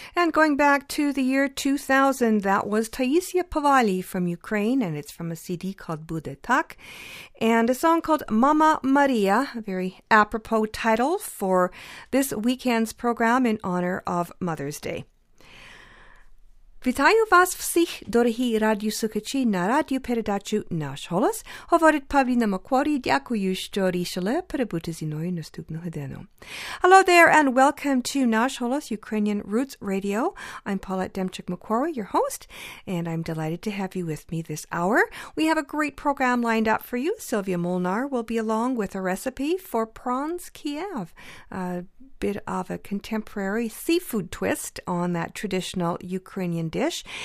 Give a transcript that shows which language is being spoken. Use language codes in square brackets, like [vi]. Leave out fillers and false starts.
[en] going back to the year 2000, that was Taisia Povali from Ukraine, and it's from a CD called Bude Tak, and a song called Mama Maria, a very apropos title for this weekend's program in honor of Mother's Day. [uk] Вітаю вас всіх, дорогі радіослухачі, на радіопередачу «Наш голос». Говорить Павліна Макворі. Дякую, що рішили перебути зі мною наступну годину. [en] Hello there and welcome to «Наш голос» Ukrainian Roots Radio. I'm Paulette Demchuk-McQuarrie, your host, and I'm delighted to have you with me this hour. We have a great program lined up for you. Sylvia Molnar will be along with a recipe for prawns Kiev, a bit of a contemporary seafood twist on that traditional Ukrainian dish.